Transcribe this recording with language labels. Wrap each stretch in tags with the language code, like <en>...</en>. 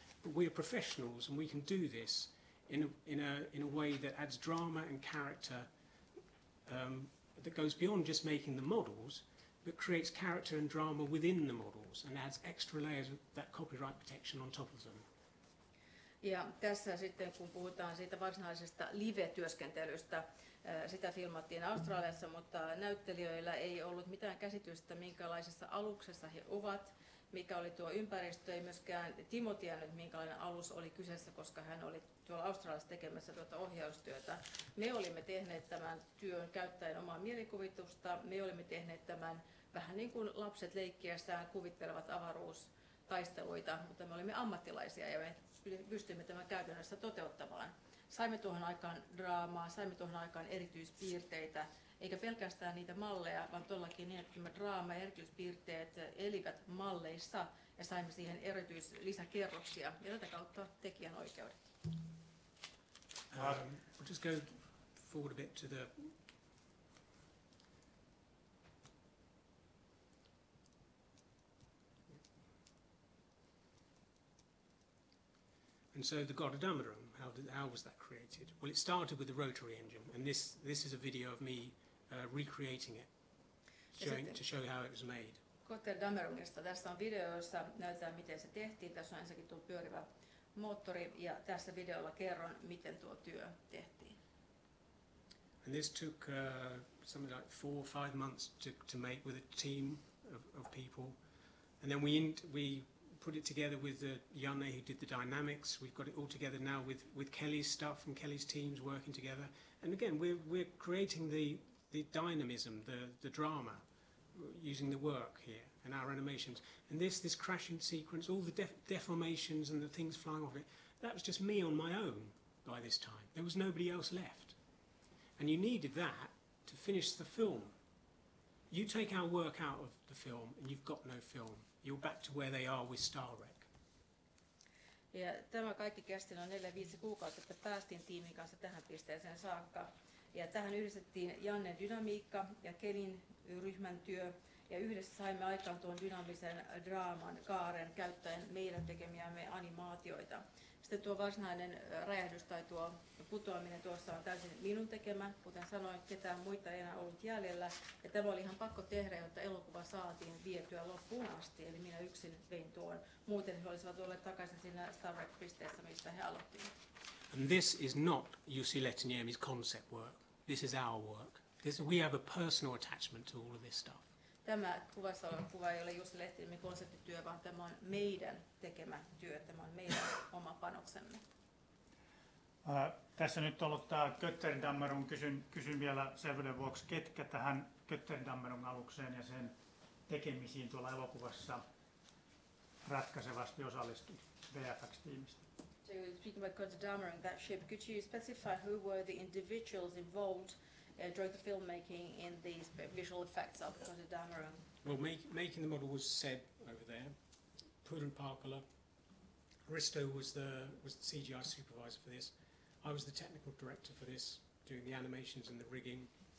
<en>But we are professionals and we can do this in a way that adds drama and character that goes beyond just making the models, but creates character and drama within the models and adds extra layers of that copyright protection on top of them.</en> <fi>Ja tässä sitten, kun puhutaan siitä varsinaisesta live-työskentelystä, sitä filmattiin Australiassa, mutta näyttelijöillä ei ollut mitään käsitystä, minkälaisessa aluksessa he ovat, mikä oli tuo ympäristö. Ei myöskään Timo tiennyt, minkälainen alus oli kyseessä, koska hän oli tuolla Australiassa tekemässä tuota ohjaustyötä. Me olimme tehneet tämän työn käyttäen omaa mielikuvitusta. Me olimme tehneet tämän vähän niin kuin lapset leikkiessään kuvittelevat avaruustaisteluita, mutta me olimme ammattilaisia ja me pystymme tämän käytännössä toteuttamaan. Saimme tuohon aikaan draamaa, saimme tuohon aikaan erityispiirteitä, eikä pelkästään niitä malleja, vaan todellakin niin, että draama ja erityispiirteet elivät malleissa ja saimme siihen erityislisäkerroksia ja tätä kautta tekijänoikeudet.</fi> <en>We'll just go forward a bit to the... And so the Gododamarum, how was that created? Well, it started with the rotary engine, and this is a video of me recreating it, to show how it was made.</en> <fi>Gododamarumista. Tässä on video, jossa näytetään, miten se tehtiin. Tässä on ensinnäkin tuo pyörivä moottori, ja tässä videolla kerron, miten tuo työ tehtiin.</fi> <en>And this took something like 4 or 5 months to make with a team of people. And then we put it together with Janne, who did the dynamics. We've got it all together now with Kelly's stuff and Kelly's teams working together. And again, we're creating the dynamism, the drama, using the work here and our animations. And this crashing sequence, all the deformations and the things flying off it, that was just me on my own by this time. There was nobody else left. And you needed that to finish the film. You take our work out of the film and you've got no film. You're back to where they are with Star Trek.</en> <fi>Ja tämä kaikki kesti noin 4-5 kuukautta, että päästiin tiimin kanssa tähän pisteeseen saakka. Ja tähän yhdistettiin Jannen dynamiikka ja Kelin ryhmän työ. Ja yhdessä saimme aikaan tuon dynaamisen draaman kaaren käyttäen meidän tekemiämme animaatioita. Sitten tuo varsinainen räjähdys tai tuo putoaminen tuossa on täysin minun tekemä. Kuten sanoin, ketään muita ei enää ollut jäljellä. Ja tämä oli ihan pakko tehdä, jotta elokuva saatiin vietyä loppuun asti. Eli minä yksin vein tuon. Muuten he olisivat olleet takaisin siinä Star Trek-pisteessä, mistä he aloittivat.</fi> <en>And this is not Jussi Letiniemi's concept work. This is our work. We have a personal attachment to all of this stuff.</en> <fi>Tämä kuvassa oleva kuva ei ole Jussi Lehtiniemi konseptityö, vaan tämä on meidän tekemä työ, tämä on meidän oma panoksemme. Tässä nyt ollut tämä Götterdammerung, kysyn vielä selvyyden vuoksi, ketkä tähän Götterdammerung alukseen ja sen tekemisiin tuolla elokuvassa ratkaisevasti osallistui VFX-tiimistä.</fi> <en>So speaking about Götterdammerung, that ship, could you specify who were the individuals involved? Drove the filmmaking in these visual effects of Gododamarum. Well, making the model was Seb over there, Purun Parkala. Risto was the CGI supervisor for this. I was the technical director for this, doing the animations and the rigging.</en>